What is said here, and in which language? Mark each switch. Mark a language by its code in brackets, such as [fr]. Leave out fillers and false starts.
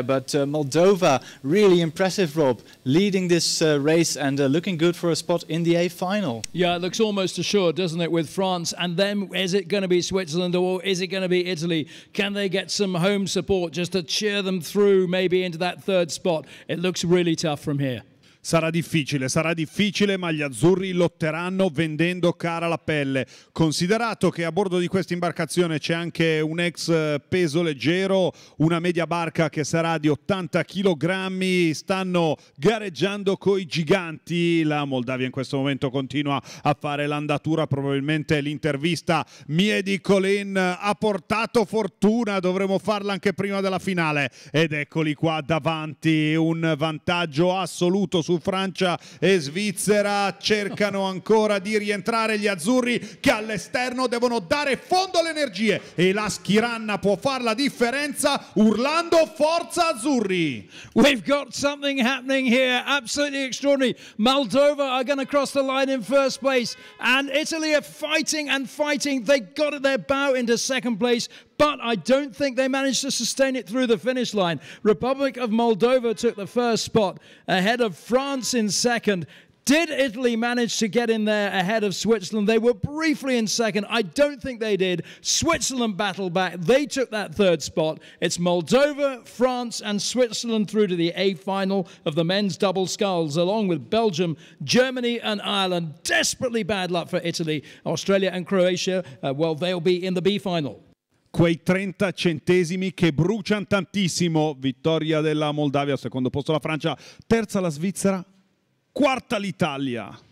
[en] But Moldova, really impressive, Rob, leading this race and looking good for a spot in the A final. Yeah, it looks almost assured, doesn't it, with France. And then is it going to be Switzerland or is it going to be Italy? Can they get some home support just to cheer them through maybe into that third spot? It looks really tough from here. [it] Sarà difficile, ma gli azzurri lotteranno vendendo cara la pelle. Considerato che a bordo di questa imbarcazione c'è anche un ex peso leggero, una media barca che sarà di 80 kg, stanno gareggiando coi giganti. La Moldavia in questo momento continua a fare l'andatura, probabilmente l'intervista Miedi Colin ha portato fortuna, dovremo farla anche prima della finale. Ed eccoli qua davanti, un vantaggio assoluto su Francia e Svizzera, cercano ancora di rientrare gli azzurri che all'esterno devono dare fondo alle energie e la Schiranna può far la differenza urlando forza azzurri. [en] We've got something happening here, absolutely extraordinary. Moldova are going to cross the line in first place and Italy are fighting and fighting. They got their bow into second place, but I don't think they managed to sustain it through the finish line. Republic of Moldova took the first spot ahead of France in second. Did Italy manage to get in there ahead of Switzerland? They were briefly in second. I don't think they did. Switzerland battled back. They took that third spot. It's Moldova, France and Switzerland through to the A final of the men's double sculls, along with Belgium, Germany and Ireland. Desperately bad luck for Italy. Australia and Croatia, well, they'll be in the B final. [it] Quei 30 centesimi che bruciano tantissimo. Vittoria della Moldavia, secondo posto la Francia, terza la Svizzera, quarta l'Italia.